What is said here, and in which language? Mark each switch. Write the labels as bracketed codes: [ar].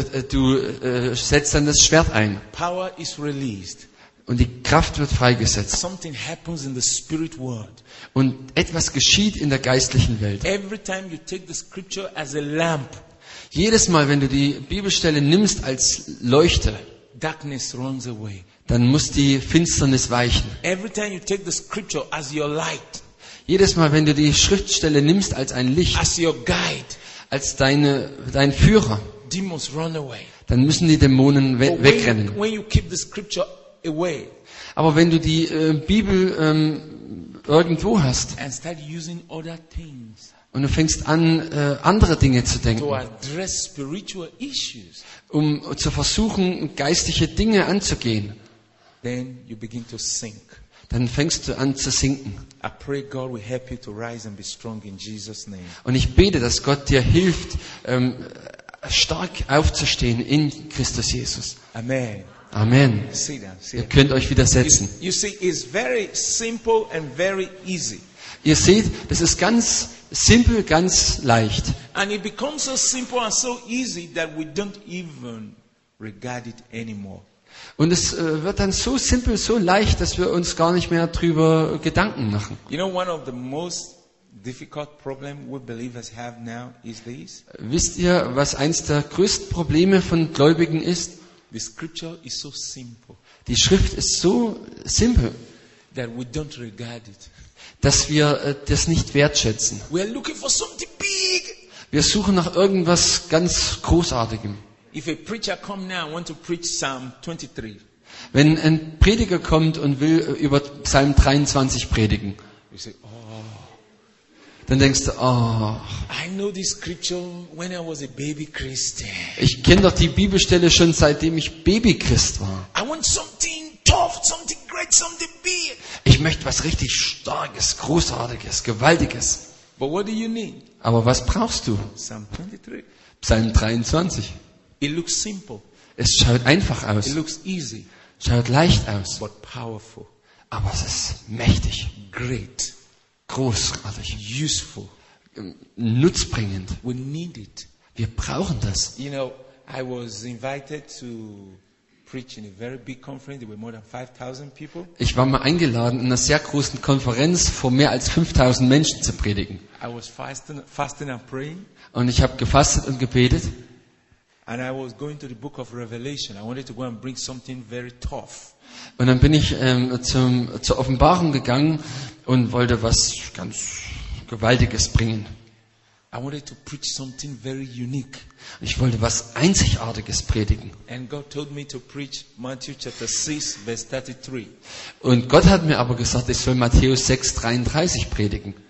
[de] Du setzt dann das Schwert ein. [en] Power is released. [de] Und die Kraft wird freigesetzt. [en] Something happens in the spirit world. [de] Und etwas geschieht in der geistlichen Welt. [en] Every time you take the scripture as a lamp, [de] jedes Mal, wenn du die Bibelstelle nimmst als Leuchte, [en] darkness runs away. [de] Dann muss die Finsternis weichen. [en] Every time you take the scripture as your light, [de] jedes Mal, wenn du die Schriftstelle nimmst als ein Licht, [en] as your guide, [de] als dein Führer, [en] demons run away. [de] Dann müssen die Dämonen wegrennen. [en] When you keep the scripture away. [de] Aber wenn du die Bibel irgendwo hast [en] and start using other things, [de] und du fängst an, andere Dinge zu denken, [en] to address spiritual issues, [de] um zu versuchen, geistliche Dinge anzugehen, [en] then you begin to sink. [de] Dann fängst du an zu sinken. [en] I pray God will help you to rise and be strong in Jesus' name. [de] Und ich bete, dass Gott dir hilft, stark aufzustehen in Christus Jesus. [en] Amen. [de] Amen. [en] See that, see that. [de] Ihr könnt euch wieder setzen. [en] You see, it's very simple and very easy. [de] Ihr seht, das ist ganz simpel, ganz leicht. [en] And it becomes so simple and so easy that we don't even regard it anymore. [de] Und es wird dann so simpel, so leicht, dass wir uns gar nicht mehr drüber Gedanken machen. [en] You know, one of the most difficult problems we believers have now is this. [de] Wisst ihr, was eins der größten Probleme von Gläubigen ist? [en] The scripture is so simple. [de] Die Schrift ist so simpel, [en] that we don't regard it. [de] Dass wir das nicht wertschätzen. [en] We are looking for something big. [de] Wir suchen nach irgendwas ganz Großartigem. [en] If a preacher come now and want to preach Psalm 23. [de] Wenn ein Prediger kommt und will über Psalm 23 predigen. [en] You say, oh. [de] Dann denkst du, oh. [en] I know this scripture when I was a baby Christian. [de] Ich kenne doch die Bibelstelle schon seitdem ich Babychrist war. [en] I want something tough, something great, something big. [de] Ich möchte was richtig starkes, großartiges, gewaltiges. [en] But what do you need? [de] Aber was brauchst du? [en] Psalm 23. [de] Psalm 23. [en] It looks simple. [de] Es schaut einfach aus. [en] It looks easy. [de] Schaut leicht aus. [en] But powerful. [de] Aber es ist mächtig. [en] Great. [de] Großartig. [en] Useful. [de] Nutzbringend. [en] We need it. [de] Wir brauchen das. [en] You know, I was invited to preach in a very big conference. There were more than 5,000 people. [de] Ich war mal eingeladen, in einer sehr großen Konferenz vor mehr als 5,000 Menschen zu predigen. [en] I was fasting and praying. [de] Und ich habe gefastet und gebetet. [en] And I was going to the book of Revelation. I wanted to go and bring something very tough. [de] Und dann bin ich zur Offenbarung gegangen und wollte was ganz Gewaltiges bringen. [en] I wanted to preach something very unique. [de] Ich wollte was Einzigartiges predigen. [en] And God told me to preach Matthew chapter 6 verse 33. [de] Und Gott hat mir aber gesagt, ich soll Matthäus 6, 33 predigen.